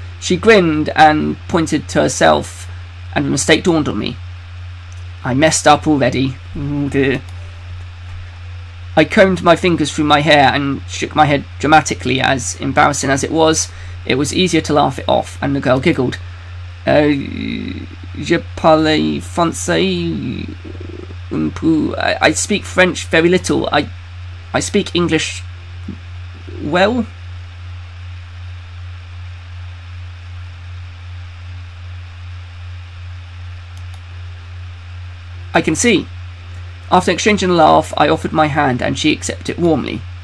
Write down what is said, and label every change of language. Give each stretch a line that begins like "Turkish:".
English: She grinned and pointed to herself, and the mistake dawned on me. I messed up already. Oh dear. I combed my fingers through my hair and shook my head dramatically, as embarrassing as it was. It was easier to laugh it off, and the girl giggled.
French: Je parle français un peu.
English: I speak French very little. I speak English well. I can see. After exchanging a laugh, I offered my hand, and she accepted it warmly.